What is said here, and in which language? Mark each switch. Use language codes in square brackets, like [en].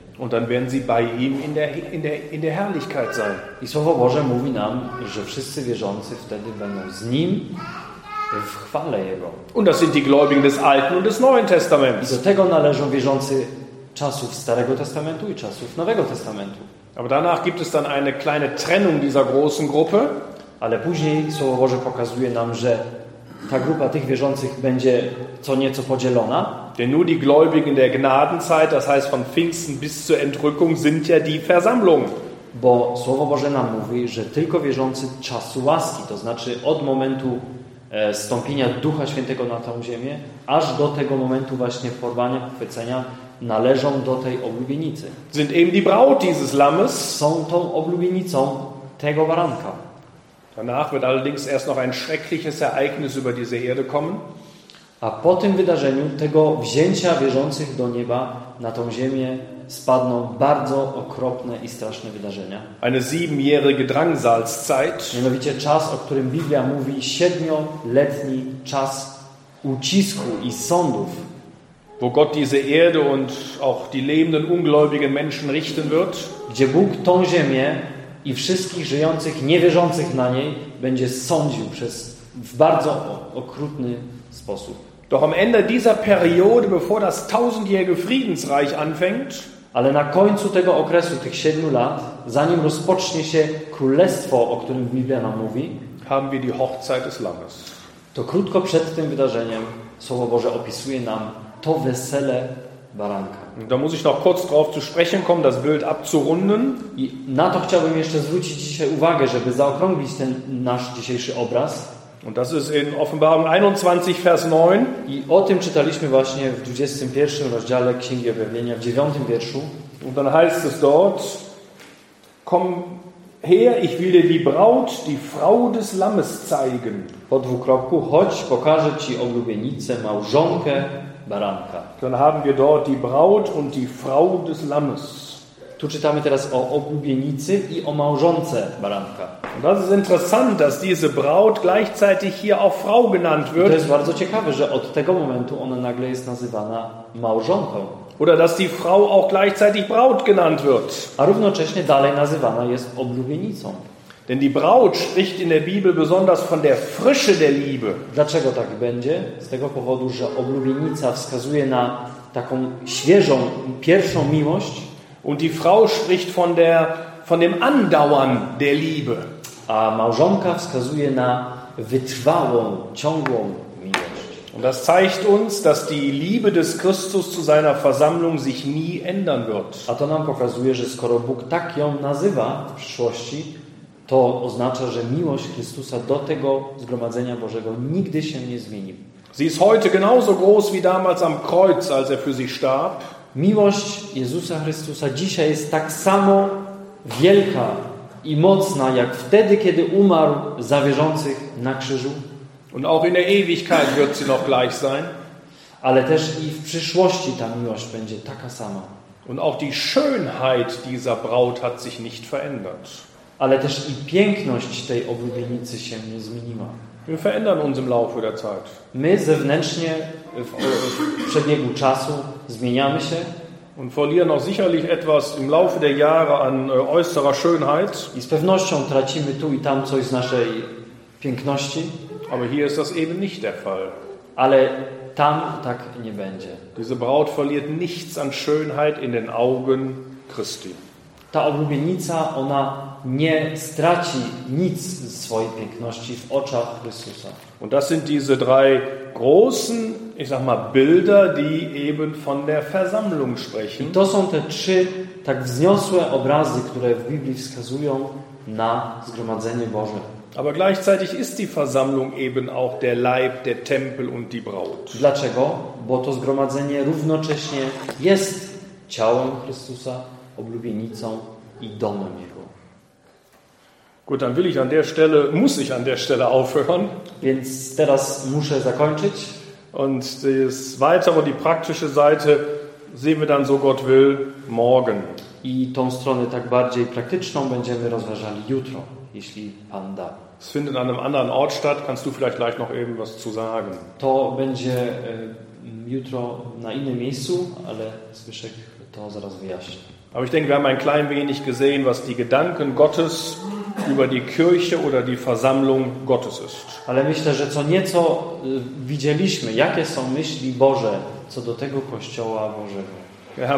[de] Und dann werden sie bei ihm in der Herrlichkeit sein. [pl] I Słowo Boże mówi nam, że wszyscy wierzący wtedy będą z nim w chwale Jego. [de] Und das sind die Gläubigen des Alten und des Neuen Testaments. [pl] I do tego należą wierzący czasów Starego Testamentu i czasów Nowego Testamentu. [de] Aber danach gibt es dann eine kleine Trennung dieser großen Gruppe. [pl] Ale później Słowo Boże pokazuje nam, że ta grupa tych wierzących będzie co nieco podzielona. [de] Denn nur die Gläubigen der Gnadenzeit, das heißt von Pfingsten bis zur Entrückung, sind ja die Versammlung. [pl] Bo Słowo Boże nam mówi, że tylko wierzący czasu łaski, to znaczy od momentu stąpienia Ducha Świętego na tą ziemię, aż do tego momentu właśnie porwania, pochwycenia, należą do tej oblubienicy. [de] Sind eben die Braut dieses Lammes. [pl] Są tą oblubienicą tego baranka. [de] Danach wird allerdings erst noch ein schreckliches Ereignis über diese Erde kommen. [pl] A po tym wydarzeniu, tego wzięcia wierzących do nieba na tą ziemię, spadną bardzo okropne i straszne wydarzenia. [de] Eine siebenjährige Drangsalszeit. [pl] Mianowicie czas, o którym Biblia mówi, siedmioletni czas ucisku i sądów. [de] Wo Gott diese Erde und auch die lebenden ungläubigen Menschen richten wird. [pl] Gdzie Bóg tą ziemię i wszystkich żyjących, niewierzących na niej będzie sądził przez w bardzo okrutny sposób. [de] Doch am Ende dieser Periode, bevor das tausendjährige Friedensreich anfängt, [pl] ale na końcu tego okresu, tych siedmiu lat, zanim rozpocznie się królestwo, o którym Biblia nam mówi, [de] haben wir die Hochzeit des Lammes. [pl] To krótko przed tym wydarzeniem Słowo Boże opisuje nam to wesele baranka. [de] Da muss ich noch kurz drauf zu sprechen kommen, das Bild abzurunden. [pl] I na to chciałbym jeszcze zwrócić dzisiaj uwagę, żeby zaokrąglić ten nasz dzisiejszy obraz. [de] Und das ist in Offenbarung 21, Vers 9. [pl] I o tym czytaliśmy właśnie w 21 rozdziale Księgi Objawienia, w 9 wierszu. [de] Und dann heißt es dort, komm her, ich will dir die Braut, die Frau des Lammes zeigen. [pl] Po dwukropku, chodź, pokażę ci oblubienicę, małżonkę baranka. [de] Dann haben wir dort die Braut und die Frau des Lammes. [pl] Tu czytamy teraz o oblubienicy i o małżonce baranka. [de] Das ist interessant, dass diese Braut gleichzeitig hier auch Frau genannt wird. [pl] I to jest bardzo ciekawe, że od tego momentu ona nagle jest nazywana małżonką. [de] Oder dass die Frau auch gleichzeitig Braut genannt wird. [pl] A równocześnie dalej nazywana jest oblubienicą. [de] Denn die Braut spricht in der Bibel besonders von der Frische der Liebe. [pl] Dlaczego tak będzie? Z tego powodu, że oblubienica wskazuje na taką świeżą, pierwszą miłość. [de] Und die Frau spricht von dem Andauern der Liebe. [pl] A małżonka wskazuje na wytrwałą, ciągłą miłość. [de] Und das zeigt uns, dass die Liebe des Christus zu seiner Versammlung sich nie ändern wird. [pl] A to nam pokazuje, że skoro Bóg tak ją nazywa w przyszłości, to oznacza, że miłość Chrystusa do tego zgromadzenia Bożego nigdy się nie zmieni. [de] Sie ist heute genauso groß wie damals am Kreuz, als er für sie starb. [pl] Miłość Jezusa Chrystusa dzisiaj jest tak samo wielka i mocna, jak wtedy, kiedy umarł za wierzących na krzyżu. [de] Und auch in der Ewigkeit wird sie noch gleich sein. [pl] Ale też i w przyszłości ta miłość będzie taka sama. [de] Und auch die Schönheit dieser Braut hat sich nicht verändert. [pl] Ale też i piękność tej oblubienicy się nie zmieniła. [de] Wir verändern uns im Laufe der Zeit. [pl] My zewnętrznie w przebiegu czasu zmieniamy się. [de] Und verlieren auch sicherlich etwas im Laufe der Jahre an äußerer Schönheit. [pl] I z pewnością tracimy tu i tam coś z naszej piękności. [de] Aber hier ist das eben nicht der Fall. [pl] Ale tam tak nie będzie. [de] Diese Braut verliert nichts an Schönheit in den Augen Christi. [pl] Ta oblubienica, ona nie straci nic z swojej piękności w oczach Chrystusa. [de] Und das sind diese drei großen, ich sag mal, Bilder, die eben von der Versammlung sprechen. [pl] I to są te trzy tak wzniosłe obrazy, które w Biblii wskazują na zgromadzenie Boże. [de] Aber gleichzeitig ist die Versammlung eben auch der Leib, der Tempel und die Braut. [pl] Dlaczego? Bo to zgromadzenie równocześnie jest ciałem Chrystusa, oblubienicą i domem Jego. [de] Gut, dann will ich an der Stelle, muss ich an der Stelle aufhören. [pl] Więc teraz muszę zakończyć. [de] Und das weitere, die praktische Seite, sehen wir dann, so Gott will, morgen. [pl] I tą stronę tak bardziej praktyczną będziemy rozważali jutro. Jeśli Pan da. [de] Es findet an einem anderen Ort statt. Kannst du vielleicht gleich noch eben was zu sagen? [pl] To będzie jutro na innym miejscu, ale Zbyszek to zaraz wyjaśni. [de] Aber ich denke, wir haben ein klein wenig gesehen, was die Gedanken Gottes über die Kirche oder die Versammlung Gottes ist. [pl] Ale myślę, że co nieco widzieliśmy, jakie są myśli Boże co do tego Kościoła Bożego.